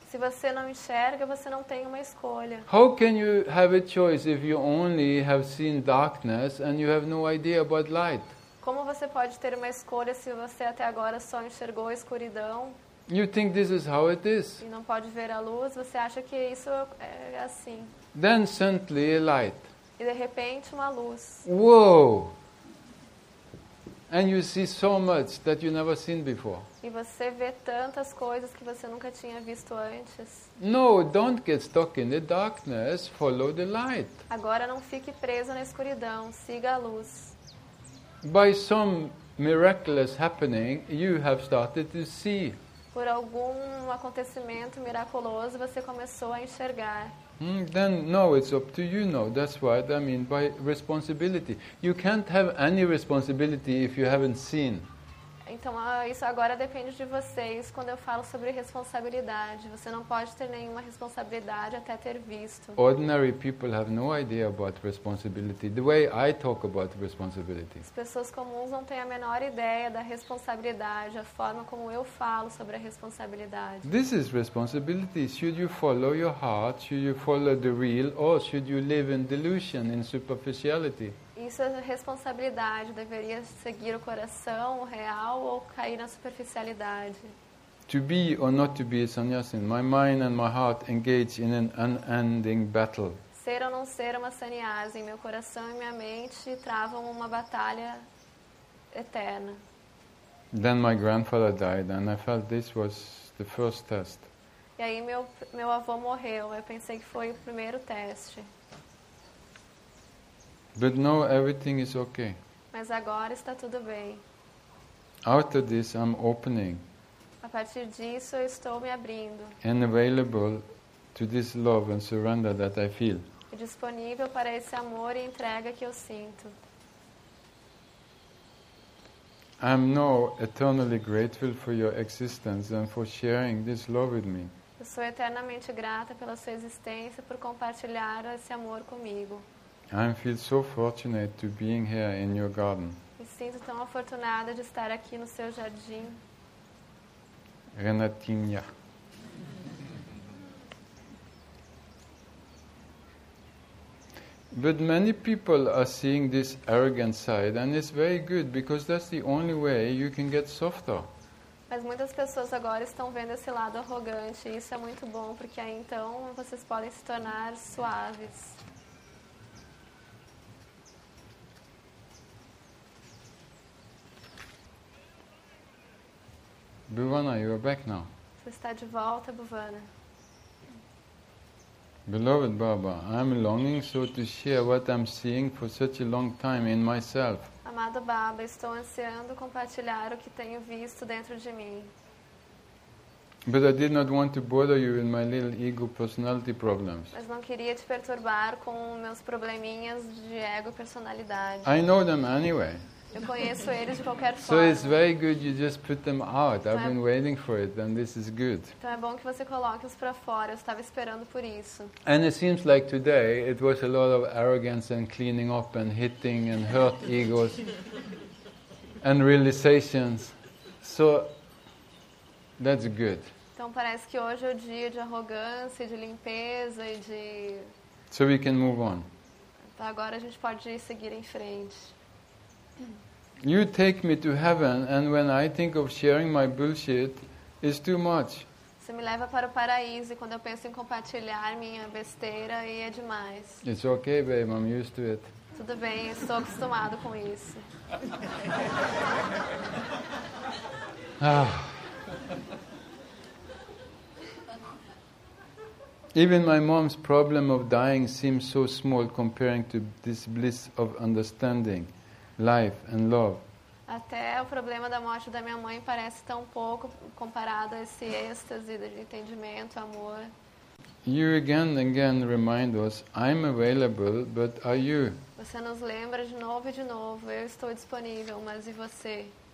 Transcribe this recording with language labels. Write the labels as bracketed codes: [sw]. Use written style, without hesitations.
[pt] Se você não enxerga, você não tem uma escolha. [en] How can you have a choice if you only have seen darkness and you have no idea about light? [pt] Como você pode ter uma escolha se você até agora só enxergou a escuridão? [en] You think this is how it is. [pt] E não pode ver a luz, você acha que isso é assim. [en] Then suddenly a light. [pt] E de repente uma luz. Whoa! [en] And you see so much that you never seen before. [pt] E você vê tantas coisas que você nunca tinha visto antes. [en] No, don't get stuck in the darkness, follow the light. [pt] Agora não fique preso na escuridão, siga a luz. [en] By some miraculous happening, you have started to see. [pt] Por algum acontecimento miraculoso, você começou a enxergar. [en] Then no, it's up to you now. That's what I mean by responsibility. You can't have any responsibility if you haven't seen. [pt] Então isso agora depende de vocês. Quando eu falo sobre responsabilidade, você não pode ter nenhuma responsabilidade até ter visto. [en] Ordinary people have no idea about responsibility. The way I talk about responsibility. [pt] As pessoas comuns não têm a menor ideia da responsabilidade, a forma como eu falo sobre a responsabilidade. [en] This is responsibility. Should you follow your heart? Should you follow the real? Or should you live in delusion, in superficiality? [pt] Isso é responsabilidade. Deveria seguir o coração, o real, ou cair na superficialidade? [en] To be or not to be a sannyasin. My mind and my heart engage in an unending battle. [pt] Ser ou não ser uma sannyasin. Meu coração e minha mente travam uma batalha eterna. [en] Then my grandfather died, and I felt this was the first test. [pt] E aí meu avô morreu. Eu pensei que foi o primeiro teste. [en] But now everything is okay. [pt] Mas agora está tudo bem. [en] Out of this, I'm opening. [pt] A partir disso, eu estou me abrindo. [en] And available to this love and surrender that I feel. [pt] E disponível para esse amor e entrega que eu sinto. [en] I'm now eternally grateful for your existence and for sharing this love with me. [pt] Eu sou eternamente grata pela sua existência por compartilhar esse amor comigo. [en] I feel so fortunate to be here in your garden. [pt] Me sinto tão afortunada de estar aqui no seu jardim. Renatinha. [en] But many people are seeing this arrogant side, and it's very good because that's the only way you can get softer. [pt] Mas muitas pessoas agora estão vendo esse lado arrogante, e isso é muito bom porque aí então vocês podem se tornar suaves. [en] Bhuvana, you are back now. [pt] Você está de volta, Bhuvana. [en] Beloved Baba, I am longing so to share what I'm seeing for such a long time in myself. [pt] Amado Baba, estou ansiando compartilhar o que tenho visto dentro de mim. [en] But I did not want to bother you with my little ego personality problems. [pt] Mas não queria te perturbar com meus probleminhas de ego e personalidade. [en] I know them anyway. [pt] Eu conheço eles de qualquer forma. [en] So it's very good you just put them out. I've been waiting for it, and this is good. [pt] Então é bom que você coloque os para fora. Eu estava esperando por isso. [en] And it seems like today it was a lot of arrogance and cleaning up and hitting and hurt egos and realizations. So that's good. [pt] Então parece que hoje é o dia de arrogância, de limpeza e de. [en] So we can move on. [pt] Então agora a gente pode seguir em frente. [en] You take me to heaven, and when I think of sharing my bullshit, it's too much. [pt] Você me leva para o paraíso, e quando eu penso em compartilhar minha besteira, aí é demais. [en] It's okay, babe. I'm used to it. [pt] Tudo bem, estou acostumado com isso. Ah. [en] Even my mom's problem of dying seems so small comparing to this bliss of understanding. Life and love. [pt] Até o problema da morte da minha mãe parece tão pouco comparado a esse êxtase de entendimento, amor. [en] You again and again remind us, I'm available, but are you? [pt] Você nos lembra de novo, eu estou disponível, mas e você?